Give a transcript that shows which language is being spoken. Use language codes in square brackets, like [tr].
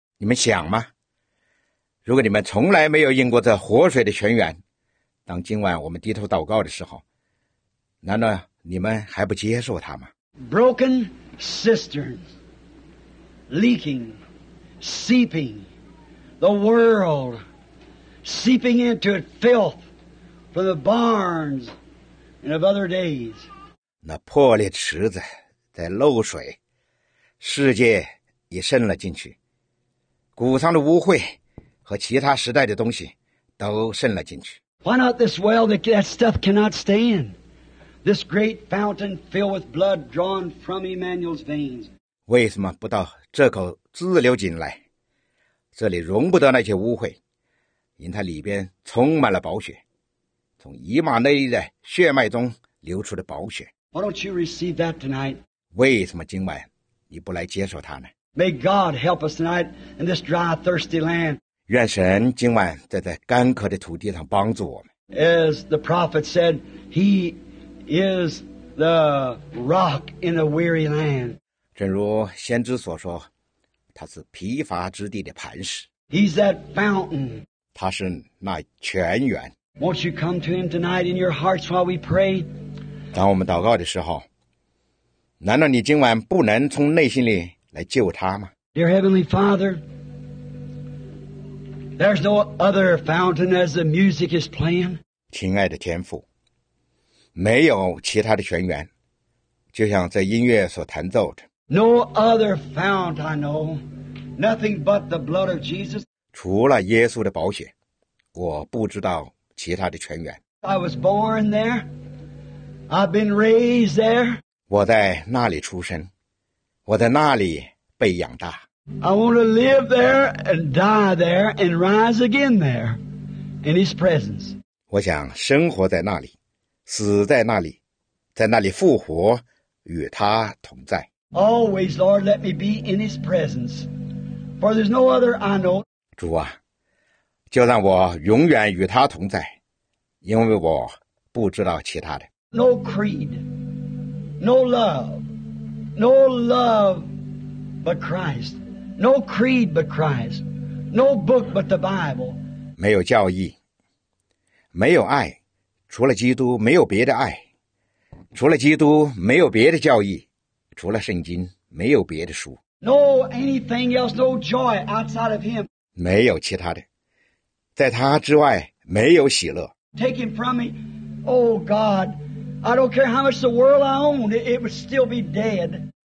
[zh] 你们想吗? 如果你们从来没有饮过这活水的泉源,当今晚我们低头祷告的时候,难道你们还不接受它吗? [en] Broken cisterns, leaking, seeping, the world, seeping into it, filth from the barns and of other days. [zh] 那破裂池子在漏水,世界也渗了进去。谷仓的污秽和其他时代的东西都渗了进去。 [en] Why not this well that that stuff cannot stay in? This great fountain filled with blood drawn from Emmanuel's veins. [zh] 为什么不到这口自流井来？这里容不得那些污秽，因它里边充满了宝血，从以马内利的血脉中流出的宝血。 [en] Why don't you receive that tonight? [zh] 为什么今晚你不来接受它呢？ [en] May God help us tonight in this dry, thirsty land. [zh] 愿神今晚在这干渴的土地上帮助我们。 [en] As the prophet said, He is the rock in a weary land. [zh] 正如先知所说，他是疲乏之地的磐石。 [en] He's that fountain. [zh] 他是那泉源。 [en] Won't you come to Him tonight in your hearts while we pray? [zh] 当我们祷告的时候，难道你今晚不能从内心里来救他吗？ [en] Dear Heavenly Father, there's no other fountain as the music is playing. [zh] 亲爱的天父，没有其他的泉源，就像在音乐所弹奏的。 [en] No other fount I know, nothing but the blood of Jesus. [zh] 除了耶稣的宝血，我不知道其他的泉源。 [en] I was born there, I've been raised there. [zh] 我在那里出生。我在那里被养大。 [en] I want to live there and die there and rise again there in His presence. [zh] 我想生活在那里，死在那里，在那里复活，与他同在。 [en] Always, Lord, let me be in His presence, for there's no other I know. [zh] 主啊，就让我永远与他同在，因为我不知道其他的。 [en] No creed, no love. No love but Christ. No creed but Christ. No book but the Bible. [zh] 没有教义，没有爱，除了基督没有别的爱，除了基督没有别的教义，除了圣经没有别的书。 [en] No anything else, no joy outside of Him. [zh] 没有其他的，在他之外没有喜乐。 [en] Take Him from me, oh God. I don't care how much the world I own, it would still be dead.